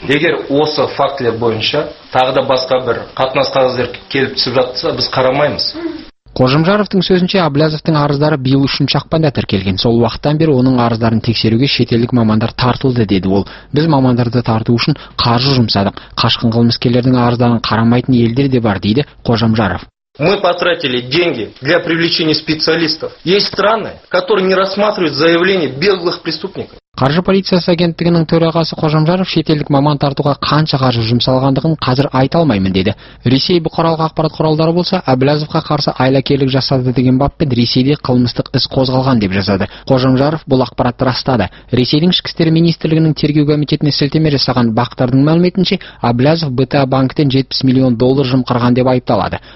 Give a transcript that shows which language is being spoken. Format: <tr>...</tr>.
<kk>Егер осы фактілер бойынша тағы да басқа бір қатынас қағаздар келіп түсіп жатса, біз қарамаймыз. Қожымжаровтың сөзінше, Әблязовтың арыздары биыл 3 ақпанда тіркелген. Сол уақыттан бері оның арыздарын тексеруге шетелдік мамандар тартылды деді ол. Біз мамандарды тарту үшін қаржы жұмсадық. Қашқын қылмыскерлердің арыздарын қарамайтын елдер де бар, дейді Қожымжаров.</kk> <ru>Мы потратили деньги для привлечения специалистов. Есть страны, которые не рассматривают заявления беглых преступников.</ru> <kk>Қаржы полициясы агенттігінің төрағасы Қожамжаров шетелдік маман тартуға қанша қаржы жұмсалғандығын қазір айта алмаймын деді. Ресей бұқаралық ақпарат құралдары болса, Әблязовқа қарсы айлакерлік жасады деген баппен Ресейде қылмыстық іс қозғалған деп жазады. Қожамжаров бұл ақпаратты растады. Ресейдің ішкі істер министрлігінің тергеу комитетіне сілтеме жасаған бақтардың мәліметінше, Әблязов БТА банктен 70 миллион доллар жымқырған деп айыпталады.</kk>